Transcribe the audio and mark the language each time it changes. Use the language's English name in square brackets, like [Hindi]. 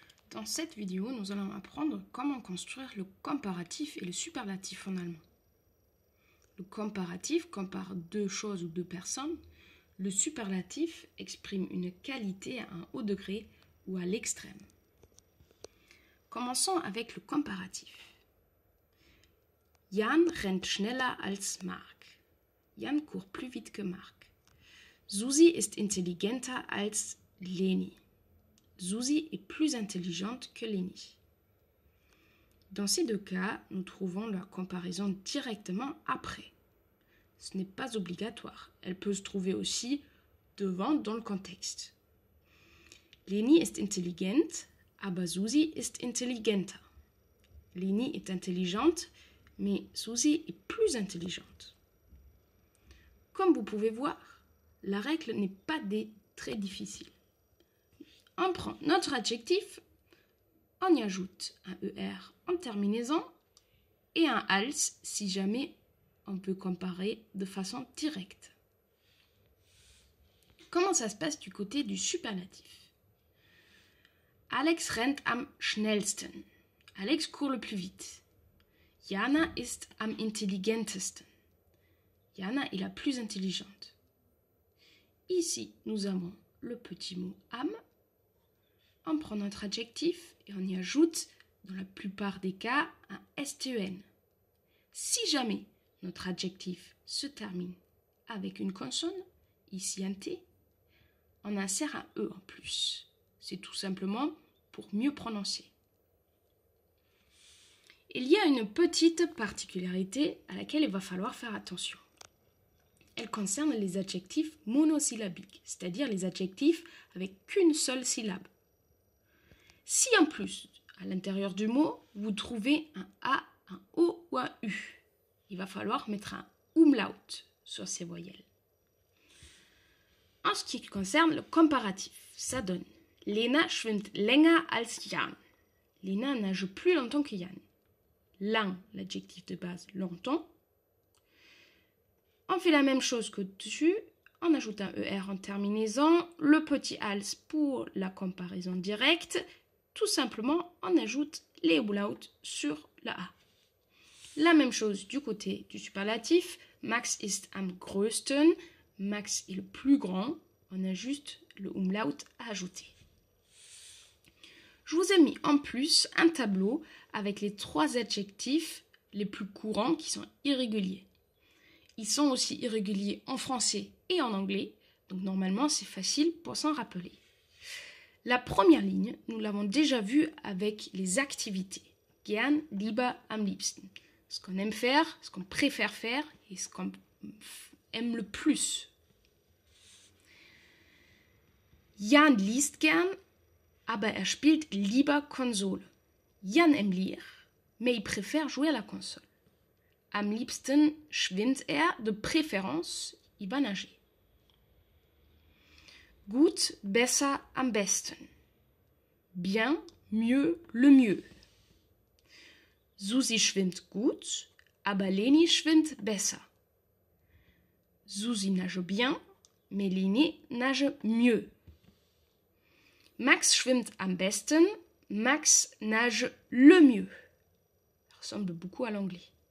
[French] Dans cette vidéo, nous allons apprendre comment construire le comparatif et le superlatif en allemand. Le comparatif compare deux choses ou deux personnes. Le superlatif exprime une qualité à un haut degré ou à l'extrême. Commençons avec le comparatif. [German] Jan rennt schneller als Marc. [French] Jan court plus vite que Marc. [German] Susi ist intelligenter als Leni. [French] Susi est plus intelligente que Leni. Dans ces deux cas, nous trouvons la comparaison directement après. Ce n'est pas obligatoire. Elle peut se trouver aussi devant dans le contexte. [German] Leni ist intelligent, aber Susi ist intelligenter. [French] Leni est intelligente, mais Susi est plus intelligente. Comme vous pouvez voir, la règle n'est pas très difficile. On prend notre adjectif, on y ajoute un ER en terminaison et un als si jamais on peut comparer de façon directe. Comment ça se passe du côté du superlatif? [German] Alex rennt am schnellsten. [French] Alex court le plus vite. [German] Jana ist am intelligentesten. [French] Jana est la plus intelligente. Ici, nous avons le petit mot am. On prend notre adjectif et on y ajoute, dans la plupart des cas, un s-t-e-n. Si jamais notre adjectif se termine avec une consonne, ici un t, on insère un e en plus. C'est tout simplement pour mieux prononcer. Il y a une petite particularité à laquelle il va falloir faire attention. Elle concerne les adjectifs monosyllabiques, c'est-à-dire les adjectifs avec qu'une seule syllabe. Si en plus, à l'intérieur du mot, vous trouvez un A, un O ou un U, il va falloir mettre un umlaut sur ces voyelles. En ce qui concerne le comparatif, ça donne [German] Lena schwimmt länger als Jan. [French] Lena nage plus longtemps que Jan. Lang, l'adjectif de base, longtemps. On fait la même chose qu'au-dessus, on ajoute un ER en terminaison, le petit als pour la comparaison directe. Tout simplement, on ajoute les umlauts sur la A. La même chose du côté du superlatif. [German] Max ist am größten. [French] Max est le plus grand. On a juste le umlaut à ajouter. Je vous ai mis en plus un tableau avec les trois adjectifs les plus courants qui sont irréguliers. Ils sont aussi irréguliers en français et en anglais. Donc normalement, c'est facile pour s'en rappeler. La première ligne, nous l'avons déjà vue avec les activités. [German] Gern, lieber, am liebsten. [French] Ce qu'on aime faire, ce qu'on préfère faire et ce qu'on aime le plus. [German] Jan liest gern, aber er spielt lieber Konsole. [French] Jan aime lire, mais il préfère jouer à la console. [German] Am liebsten schwimmt er, [French] de préférence, il va nager. [German] Gut, besser, am besten. [French] Bien, mieux, le mieux. [German] Susi schwimmt gut, aber Leni schwimmt besser. [French] Susi nage bien, mais Leni nage mieux. [German] Max schwimmt am besten, [French] Max nage le mieux. Ça ressemble beaucoup à l'anglais.